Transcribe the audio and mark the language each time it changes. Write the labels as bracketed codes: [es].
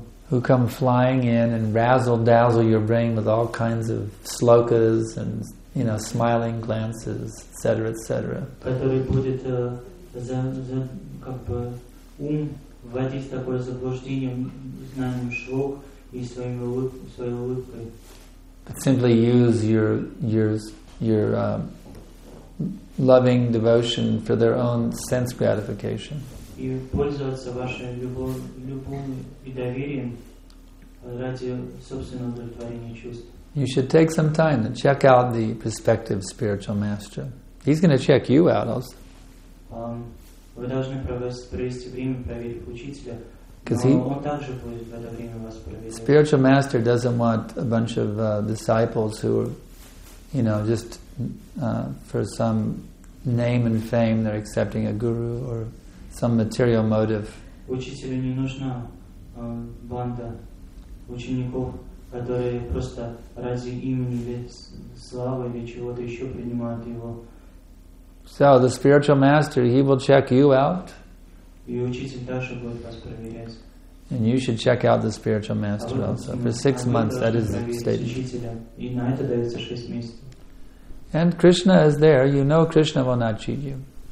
[en] Who come flying in and razzle dazzle your brain with all kinds of slokas and, you know, smiling glances, etc., etc. [ru] Который будет как бы ум вводить в такое заблуждение знанием шлок и своей улыбкой. [en] But simply use your loving devotion for their own sense gratification. [ru] И пользоваться вашей любовью и доверием ради собственного удовлетворения чувств. [en] You should take some time to check out the prospective spiritual master. He's going to check you out also. [ru] Вы должны провести время проверить учителя, because он также будет в это время вас проверять. [en] Spiritual master doesn't want a bunch of disciples who are, you know, just for some name and fame they're accepting a guru or some material motive. [ru] Учителю не нужна банда учеников, которые просто ради имени или славы или чего-то еще принимают его. [en] So the spiritual master, he will check you out. [ru] И учитель также будет вас проверять. [en] And you should check out the spiritual master also. For 6 months, that is the stage. And Krishna is there. You know Krishna will not cheat you.